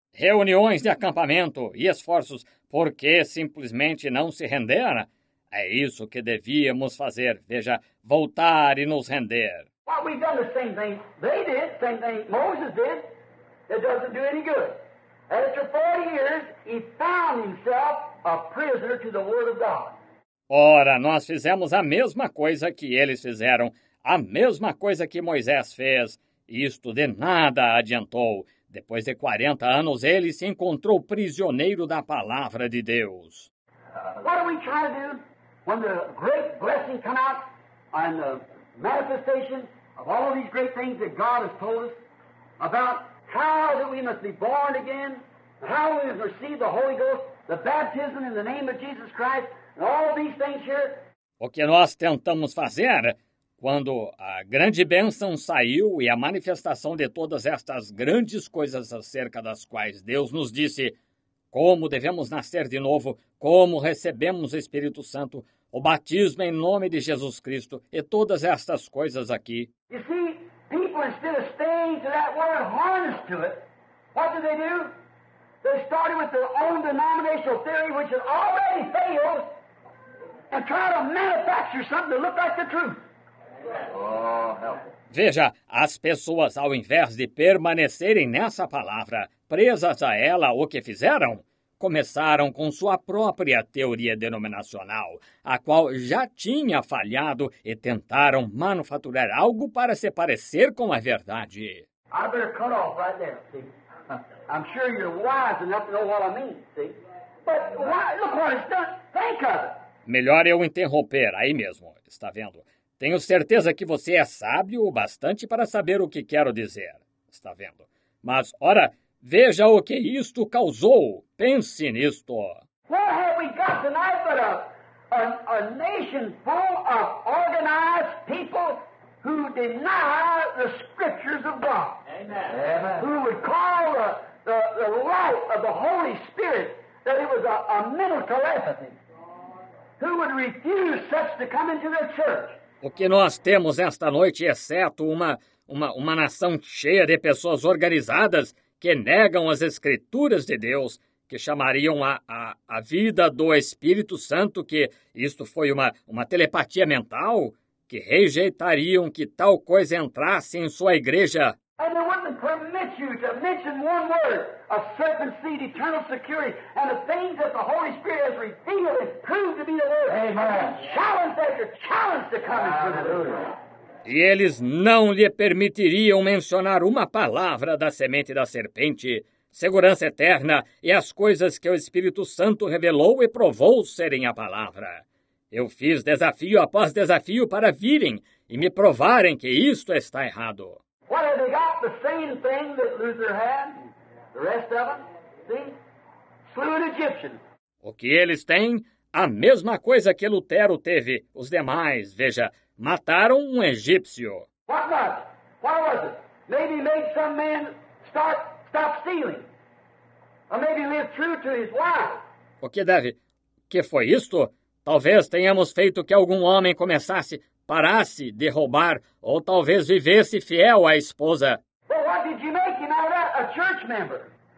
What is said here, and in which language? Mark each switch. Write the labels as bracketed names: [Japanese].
[Portuguese] Reuniões de acampamento e esforços porque simplesmente não se renderam. É isso que devíamos fazer, veja, voltar e nos render. [English] Well, we've done the same thing they did, same thing Moses did. It doesn't do any good. After 40 years, he found himself a prisoner to the word of God. [Portuguese] Ora, nós fizemos a mesma coisa que eles fizeram, a mesma coisa que Moisés fez. Isto de nada adiantou. Depois de 40 anos, ele se encontrou prisioneiro da palavra de Deus. [English] What are we trying to do? When the great blessing come out and the manifestation of all these great things that God has told us about how that we must be born again, how we must receive the Holy Ghost, the baptism in the name of Jesus Christ, and all these things here. [Portuguese] O que nós tentamos fazer quando a grande bênção saiu e a manifestação de todas estas grandes coisas acerca das quais Deus nos disse. Como devemos nascer de novo, como recebemos o Espírito Santo, o batismo em nome de Jesus Cristo e todas estas coisas aqui. [English] You see, people instead of staying to that word harnessed to it, what do? They started with their own denominational theory, which had already failed, and try to manufacture something to look like the truth. Oh, help. [Portuguese] Veja, as pessoas, ao invés de permanecerem nessa palavra, presas a ela, o que fizeram? Começaram com sua própria teoria denominacional, a qual já tinha falhado e tentaram manufaturar algo para se parecer com a verdade. [English] I better cut off right there, see? I'm sure you're wise enough to know what I mean, see? But why, look what it's done. Think of it. [Portuguese] Melhor eu interromper aí mesmo, está vendo? Tenho certeza que você é sábio o bastante para saber o que quero dizer. Está vendo? Mas, ora, veja o que isto causou. Pense nisto. [English] What have we got tonight but a nation full of organized people who deny the scriptures of God? Amen. Who would call the light of the Holy Spirit that it was a mental telepathy? Who would refuse such to come into their church? [Portuguese] O que nós temos esta noite, exceto uma nação cheia de pessoas organizadas que negam as Escrituras de Deus, que chamariam a vida do Espírito Santo, que isto foi uma telepatia mental, que rejeitariam que tal coisa entrasse em sua igreja. [English] And they wouldn't permit you to mention one word of serpent seed, eternal security, and the things that the Holy Spirit has revealed and proved to be the word. Amen. Challenge that, your challenge to come into the world. [Portuguese] E eles não lhe permitiriam mencionar uma palavra da semente da serpente, segurança eterna e as coisas que o Espírito Santo revelou e provou serem a palavra. Eu fiz desafio após desafio para virem e me provarem que isto está errado. [English] What have they got? The same thing that Luther had? The rest of them? See? Slew an Egyptian. [Portuguese] O que eles têm? A mesma coisa que Lutero teve. Os demais, veja, mataram um egípcio. [English] What was it? What was it? Maybe made some man stop stealing. Or maybe live true to his wife. [Portuguese] O que deve? Que foi isto? Talvez tenhamos feito que algum homem começasse... parasse de roubar, ou talvez vivesse fiel à esposa. [English] Well, what did you make him out of that? A church member.